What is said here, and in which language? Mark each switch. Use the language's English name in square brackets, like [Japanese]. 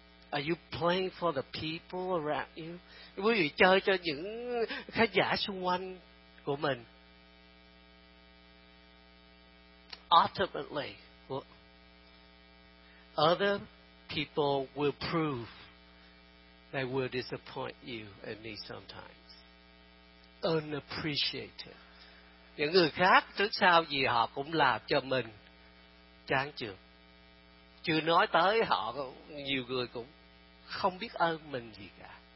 [English] Are you playing for the people around you? [Vietnamese] Quý vị chơi cho những khán giả xung quanh của mình. [English] Ultimately, other people will prove they will disappoint you and me sometimes. Unappreciated. [Vietnamese] Những người khác trước sau gì họ cũng làm cho mình chán chường. Chưa nói tới họ, nhiều người cũng không biết ơn mình gì cả.